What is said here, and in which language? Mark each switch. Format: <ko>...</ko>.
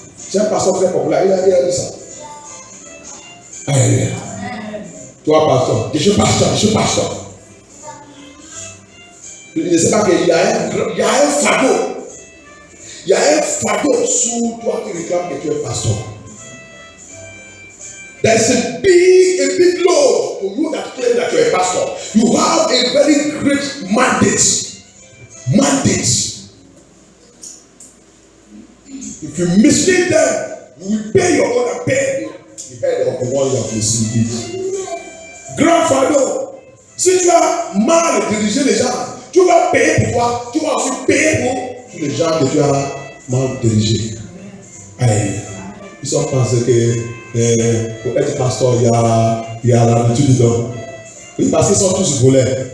<fr>C'est un pasteur très populaire, il a dit ça. Alléluia. Toi, pasteur, je suis pasteur. Il ne sait pas qu'il y a un fardeau. Il y a un fardeau sur toi qui réclame que tu es pasteur.</fr> <en>There's a big load for you that claim that you are a pastor. You have a very great mandate. Mandate. If you mislead them, you will pay your own and pay the head of the one you have received.</en> <fr>Grandfather, si tu as mal dirigé les gens, tu vas payer pour toi, tu vas aussi payer pour tous les gens que tu as mal dirigé. Allez, ils ont pensé que pour être pasteur, il y a l'habitude dedans. Oui, parce qu'ils sont tous volés.</fr>